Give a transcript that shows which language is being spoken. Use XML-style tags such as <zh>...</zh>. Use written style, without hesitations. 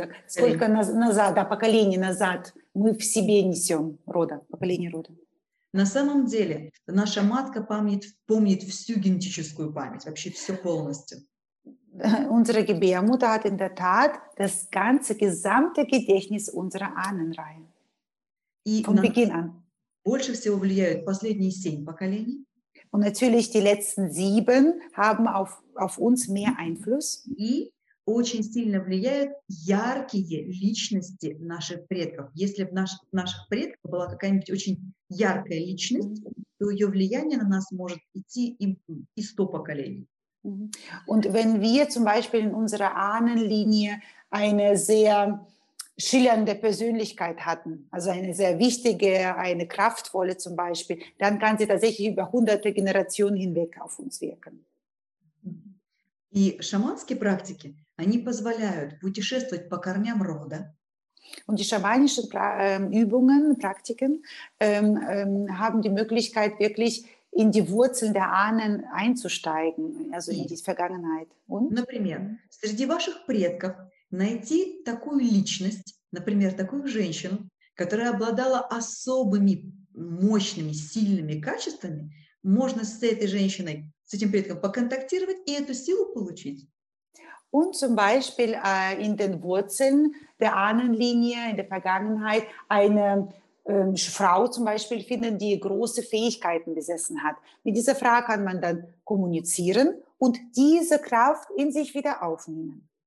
<ru>Сколько назад, да, поколений назад мы в себе несем рода, поколение рода? На самом деле наша матка помнит всю генетическую память, вообще все полностью.</ru> <de>Unsere Gebärmutter hat in der Tat das ganze gesamte Gedächtnis unserer Ahnenreihe.</de> <ru>Больше всего влияют последние 7 поколений.</ru> <de>Und natürlich die letzten 7 haben auf uns mehr Einfluss.</de> <ru>И очень сильно влияют яркие личности наших предков. Если в наших предках была какая-нибудь очень яркая личность, то ее влияние на нас может идти и 100 поколений.</ru> <de>Und wenn wir zum Beispiel in unserer Ahnenlinie eine sehr schillernde Persönlichkeit hatten, also eine sehr wichtige, eine kraftvolle zum Beispiel, dann kann sie tatsächlich über hunderte Generationen hinweg auf uns wirken.</de> <ru>И шаманские практики, они позволяют путешествовать по корням рода.</ru> <de>Und die schamanischen Übungen, Praktiken, haben die Möglichkeit, wirklich in die Wurzeln der Ahnen einzusteigen, also in die Vergangenheit. Und?</de> <ru>Например, среди ваших предков найти такую личность, например, такую женщину, которая обладала особыми мощными, сильными качествами, можно с этой женщиной, с этим предком поконтактировать и эту силу получить.</ru> <de>Und zum Beispiel in den Wurzeln der Ahnenlinie in der Vergangenheit eine Frau zum Beispiel finden, die große Fähigkeiten besessen hat. Mit dieser Frau kann man dann kommunizieren und diese Kraft in sich wieder aufnehmen.</de>